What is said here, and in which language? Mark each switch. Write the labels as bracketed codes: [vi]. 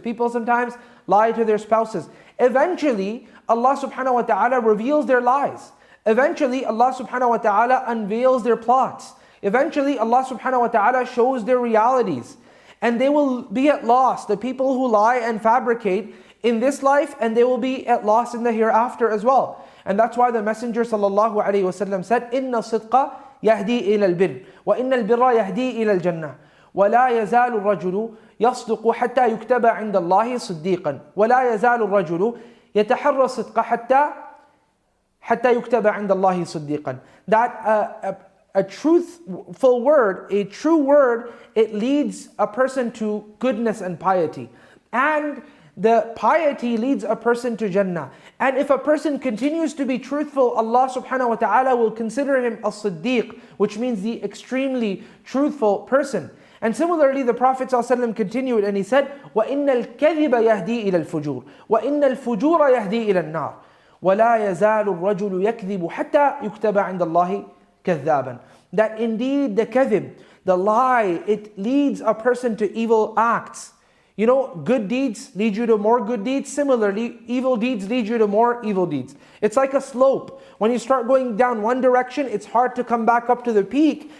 [en] People sometimes lie to their spouses. Eventually, Allah subhanahu wa ta'ala reveals their lies. Eventually, Allah subhanahu wa ta'ala unveils their plots. Eventually, Allah subhanahu wa ta'ala shows their realities. And they will be at loss, the people who lie and fabricate in this life, and they will be at loss in the hereafter as well. And that's why the Messenger sallallahu alayhi wa sallam said, [ar] إِنَّ الصِّدْقَ يَهْدِي إِلَى الْبِرِّ وَإِنَّ الْبِرَّ يَهْدِي إِلَى الْجَنَّةِ وَلَا يَزَالُ الرَّجُلُ يَصْدُقُ حَتَّى يُكْتَبَ عِنْدَ اللَّهِ صِدِّيقًا وَلَا يَزَالُ الرَّجُلُ يَتَحَرَّ الصِّدْقَ حَتَّى يُكْتَبَ عِنْدَ اللَّهِ صِدِّيقًا. [en] That a truthful word, a true word, it leads a person to goodness and piety. And the piety leads a person to Jannah. And if a person continues to be truthful, Allah subhanahu wa ta'ala will consider him a siddiq, which means the extremely truthful person. And similarly, the Prophet ﷺ continued and he said, [ar] وَإِنَّ الْكَذِبَ يَهْدِي إِلَى الْفُجُورِ وَإِنَّ الْفُجُورَ يَهْدِي إِلَى النَّارِ وَلَا يَزَالُ الرَّجُلُ يَكْذِبُ حَتَّى يُكْتَبَ عِنْدَ اللَّهِ كَذَّابًا. [en] That indeed the kathib, the lie, it leads a person to evil acts. You know, good deeds lead you to more good deeds. Similarly, evil deeds lead you to more evil deeds. It's like a slope. When you start going down one direction, it's hard to come back up to the peak.